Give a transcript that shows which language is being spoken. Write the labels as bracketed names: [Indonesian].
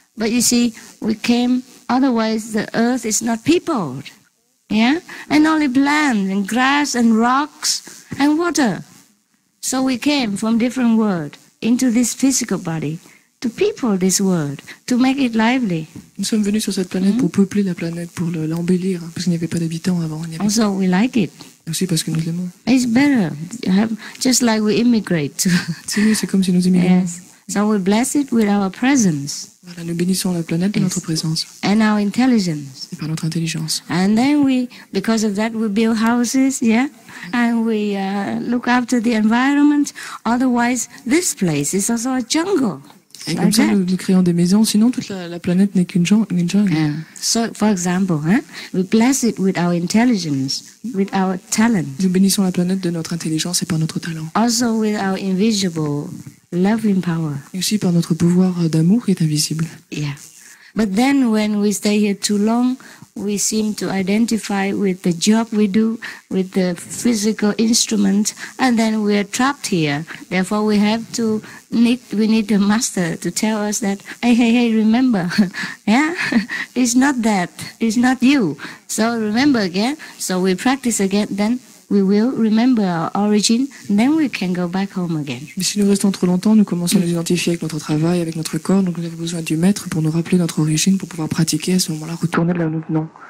[English] But you see, we came, otherwise the earth is not peopled. Yeah? And only land and grass and rocks and water. So we came from different world into this physical body to people this world, to make it lively. [French] Nous sommes venus sur cette planète pour peupler la planète, pour l'embellir, parce qu'il n'y avait pas d'habitants avant. [English] Also, we like it. [French] Aussi parce que nous aimons. [English] It's better. Just like we immigrate. [French] C'est mieux, c'est comme si nous immigrions. [English] Yes. So we bless it with our presence. [French] Voilà, nous bénissons la planète de notre présence. [English] And our intelligence. [French] Et par notre intelligence. [English] And then we, because of that, we build houses, yeah? And we look after the environment. Otherwise, this place is also a jungle. [French] Et comme ça, nous créons des maisons. Sinon, toute la planète n'est qu'une jungle. [English] Yeah. So, for example, we bless it with our intelligence, with our talent. [French] Nous bénissons la planète de notre intelligence et par notre talent. [English] Also with our invisible loving power. [French] Et aussi par notre pouvoir d'amour qui est invisible. [English] Yeah. But then when we stay here too long, we seem to identify with the job we do, with the physical instrument, and then we are trapped here. Therefore, we need a master to tell us that, hey, remember, yeah? It's not that, it's not you. So remember again, so we practice again, then we will remember our origin, then we can go back home again. [French] Mais si nous restons trop longtemps, nous commençons à nous identifier avec notre travail, avec notre corps, donc nous avons besoin du maître pour nous rappeler notre origine, pour pouvoir pratiquer à ce moment-là, retourner là où nous venons.